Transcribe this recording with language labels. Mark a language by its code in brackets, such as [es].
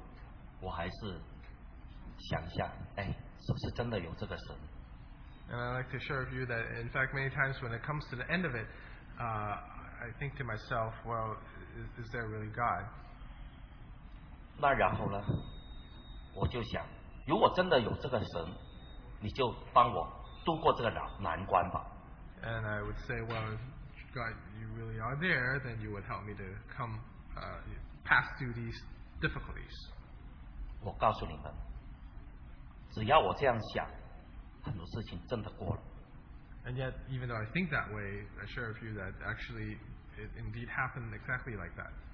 [zh] 可是呢，我告诉你们，在很多事情上面，到了最后的关头，我还是想一下，哎。是不是真的有这个神？ [en] And I'd like to share with you that, in fact, many times when it comes to the end of it, I think to myself, well, is there really God? [zh] 那然后呢，我就想，如果真的有这个神，你就帮我度过这个难关吧。 [en] And I would say, well, if God, you really are there, then you would help me to come pass through these difficulties. [zh] 我告诉你们。只要我这样想，很多事情真的过了。 [en] And yet, even though I think that way, I share with you that actually, it indeed happened exactly like that.